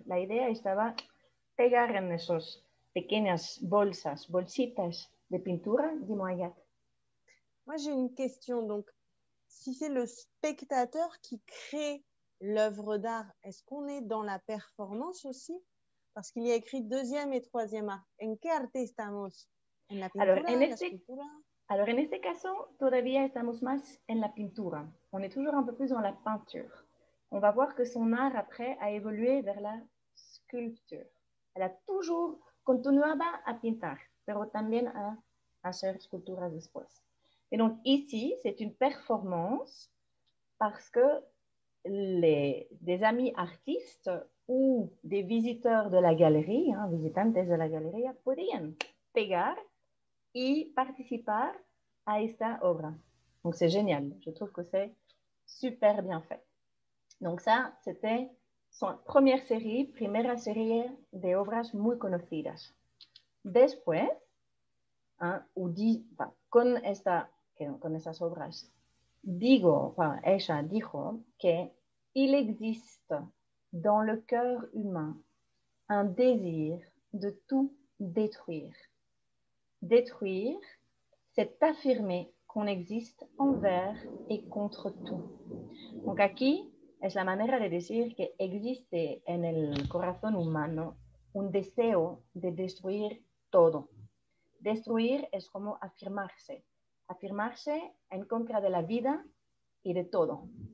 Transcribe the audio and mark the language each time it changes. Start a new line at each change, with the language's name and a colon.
Spanish: La idée était de pegar en esos pequeñas bolsas, bolsitas de pintura, dis-moi, Agathe.
French: Moi, j'ai une question. Donc, si c'est le spectateur qui crée l'œuvre d'art, est-ce qu'on est dans la performance aussi? Parce qu'il y a écrit deuxième et troisième art.
Spanish: ¿En qué arte estamos? ¿En la pintura? Alors, en este caso, todavía estamos más en la pintura.
French: On est toujours un peu plus dans la peinture. On va voir que son art, après, a évolué vers la sculpture.
Spanish: Elle a toujours continuaba a pintar, pero también a hacer esculturas después.
French: Et donc ici, c'est une performance parce que des amis artistes ou des visiteurs de la galerie, hein, visitantes de la galería, podían pegar y participar a esta obra. Donc c'est génial, je trouve que c'est super bien fait. Donc ça, c'était son première série, primera serie de obras muy conocidas.
Spanish: Después, hein, con esta con esas obras, ella dijo que il existe dans le cœur humain un désir de tout détruire.
French: Détruire, c'est affirmer qu'on existe envers et contre tout.
Spanish: Donc, aquí es la manera de decir que existe en el corazón humano un deseo de destruir todo. Destruir es como afirmarse. Afirmarse en contra de la vida y de todo.